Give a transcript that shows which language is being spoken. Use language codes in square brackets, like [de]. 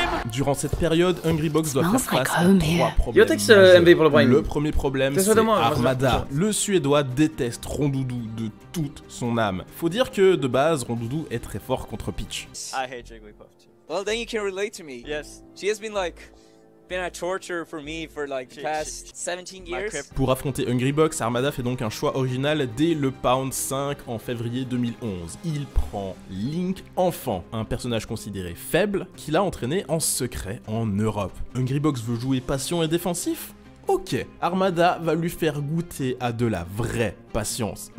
[fr] Durant cette période, Hungrybox doit faire face à trois problèmes. Yo Tex, MV pour le Prime. Le premier problème, c'est Armada. Le Suédois déteste Rondoudou de toute son âme. Faut dire que, de base, Rondoudou est très fort contre Peach. [en] Well, then you can relate to me. Yes. She has been a torture for me for like the past 17 years. [fr] Pour affronter Hungrybox, Armada fait donc un choix original dès le Pound 5 en février 2011. Il prend Link enfant, un personnage considéré faible qu'il a entraîné en secret en Europe. Hungrybox veut jouer patient et défensif ? Ok, Armada va lui faire goûter à de la vraie patience.